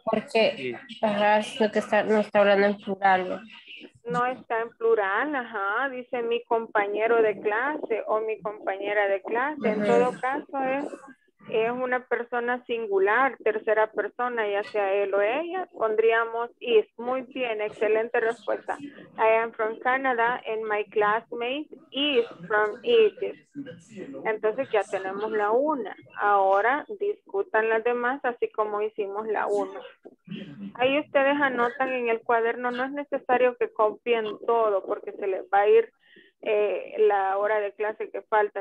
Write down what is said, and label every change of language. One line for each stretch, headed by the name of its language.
Spanish: Porque es lo que está, no está hablando en plural. No está en plural, ajá. Dice mi compañero de clase o mi compañera de clase. Uh-huh. En todo caso es una persona singular, tercera persona, ya sea él o ella. Pondríamos is. Muy bien, excelente respuesta.
English: I am from Canada and my classmate is from Egypt.
Spanish: Entonces ya tenemos la una. Ahora discutan las demás así como hicimos la uno. Ahí ustedes anotan en el cuaderno. No es necesario que copien todo porque se les va a ir la hora de clase que falta.